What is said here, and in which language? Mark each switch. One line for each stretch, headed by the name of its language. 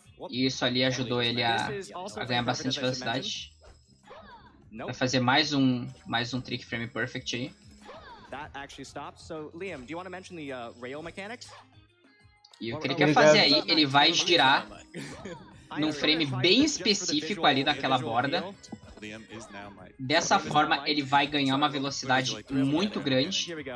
Portuguese: E isso ali ajudou ele a ganhar bastante velocidade. Vai fazer mais um trick frame perfect aí.
English: That actually stops. So, Liam, do you want to mention the rail mechanics?
Portuguese: E o que ele quer fazer aí, ele vai girar num frame bem específico ali daquela borda. Dessa forma, ele vai ganhar uma velocidade muito grande.